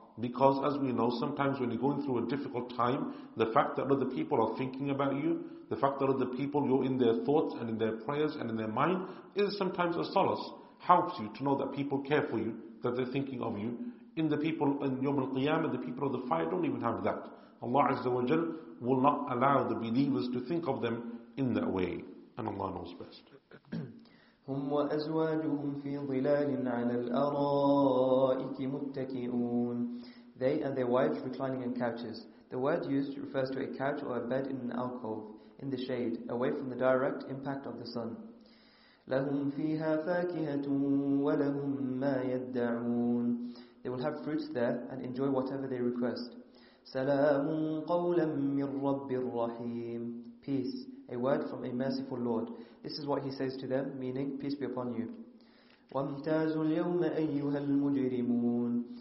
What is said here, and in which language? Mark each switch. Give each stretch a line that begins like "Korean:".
English: Because as we know, sometimes when you're going through a difficult time, the fact that other people are thinking about you, the fact that other people, you're in their thoughts and in their prayers and in their mind, is sometimes a solace. Helps you to know that people care for you, that they're thinking of you. In the people in Yawm al-Qiyamah, the people of the fire don't even have that. Allah Azza wa Jal will not allow the believers to think of them in that way. And Allah knows best.
Arabic: هم وأزواجهم في ظلال على الأرائك متكئون.
English: They and their wives reclining in couches. The word used refers to a couch or a bed in an alcove, in the shade, away from the direct impact of the sun.
Arabic: لهم فيها فاكهة ولهم ما يدعون.
English: They will have fruits there and enjoy whatever they request.
Arabic: سلام قولا من رب الرحيم.
English: Peace, a word from a merciful Lord. This is what he says to them, meaning, peace be upon you.
Arabic: وَامْتَازُ الْيَوْمَ أَيُّهَا الْمُجْرِمُونَ.